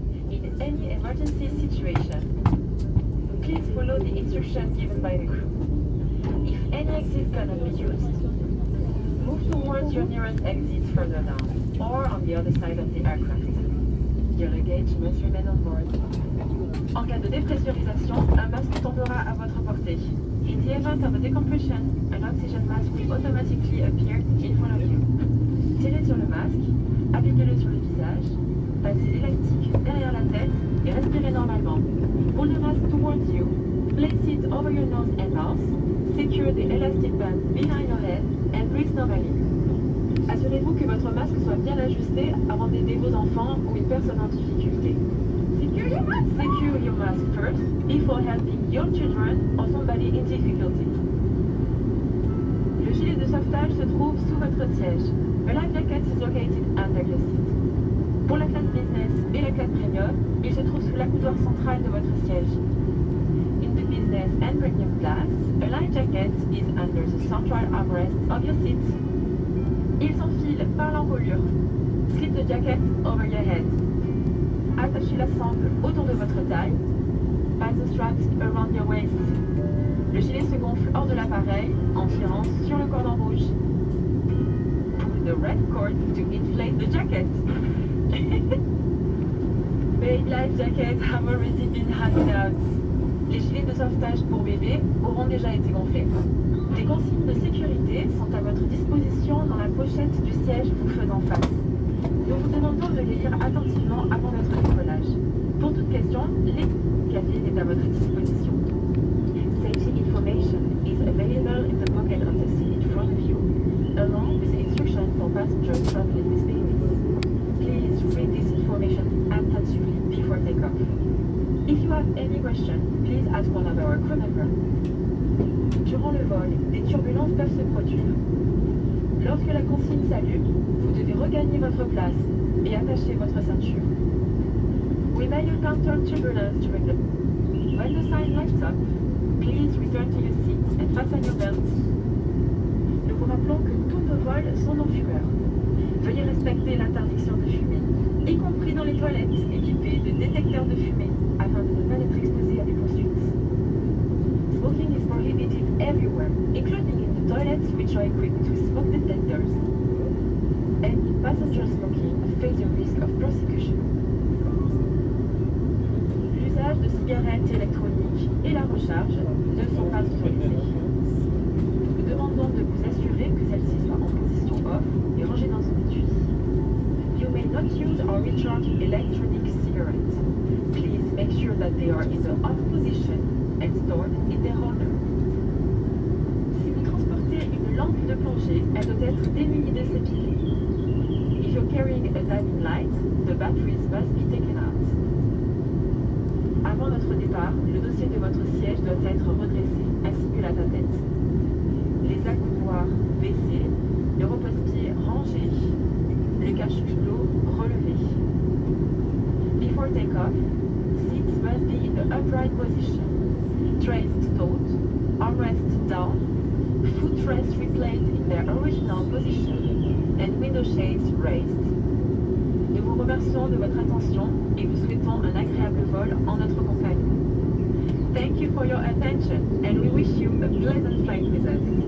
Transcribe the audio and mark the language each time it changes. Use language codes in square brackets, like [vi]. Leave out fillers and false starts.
[en] In any emergency situation, please follow the instructions given by the crew. If any exit cannot be used, move towards your nearest exit further down or on the other side of the aircraft. Your luggage must remain on board. [fr] En cas de dépressurisation, un masque tombera à votre portée. [en] In the event of a decompression, an oxygen mask will automatically appear in front of you. [fr] Tirez sur le masque, appliquez-le sur le visage, passez l'élastique derrière la tête et respirez normalement. [en] Pull the mask towards you, place it over your nose and mouth, secure the elastic band behind your head and breathe normally. [fr] Assurez-vous que votre masque soit bien ajusté avant d'aider vos enfants ou une personne en difficulté. [en] Secure your mask first before helping your children or somebody in difficulty. [fr] Le gilet de sauvetage se trouve sous votre siège. [en] A life jacket is located under your seat. [fr] Pour la classe business et la classe premium, il se trouve sous l'accoudoir central de votre siège. [en] In the business and premium class, a life jacket is under the central armrest of your seat. [fr] Il s'enfile par l'encolure. [en] Slip the jacket over your head. [fr] Attachez la sangle autour de votre taille. [en] Pass the straps around your waist. [fr] Le gilet se gonfle hors de l'appareil en tirant sur le cordon rouge. [en] Pull the red cord to inflate the jacket. Baby life jackets have already been handed out. [fr] Les gilets de sauvetage pour bébés auront déjà été gonflés. Des consignes de sécurité sont à votre disposition dans la pochette du siège vous faisant face. Nous vous demandons de les lire attentivement avant notre décollage. Pour toute question, les cafés sont à votre disposition. [en] Safety information is available in the pocket of the seat in front of you, along with instructions for passengers traveling with babies. Please read this information attentively before takeoff. If you have any question, please ask one of our crew members. [fr] Durant le vol, des turbulences peuvent se produire. Lorsque la consigne s'allume, vous devez regagner votre place et attacher votre ceinture. [en] We may encounter turbulence during the... When the sign lights up, please return to your seat and fasten your belt. [fr] Nous vous rappelons que tous nos vols sont non-fumeurs. Veuillez respecter l'interdiction de fumer, y compris dans les toilettes équipées de détecteurs de fumée, afin de ne pas être exposé à des poursuites. [en] Smoking is prohibited everywhere, including in the toilets which are equipped with smoke detectors. Any passenger smoking face the risk of prosecution. [fr] L'usage de cigarettes électroniques et la recharge ne sont pas autorisés. Nous vous demandons de vous assurer que celle-ci soit en position off et rangée dans un étui. [en] You may not use or recharge electronic cigarettes. Please make sure that they are in the off position and stored in their holder. [fr] Si vous transportez une lampe de plongée, elle doit être démunie de ses piles. [en] If you're carrying a diving light, the batteries must be taken out. [fr] Avant notre départ, le dossier de votre siège doit être redressé, ainsi que la tapette. Les accoudoirs baissés, le repose-pied rangé, le cache-hublot relevé. [en] Before take-off, seats must be in the upright position. Trays stowed, armrest down, footrests replaced in their original position, and window shades raised. [fr] Nous vous remercions de votre attention et vous souhaitons un agréable vol en notre compagnie. [en] Thank you for your attention and we wish you a pleasant flight with us.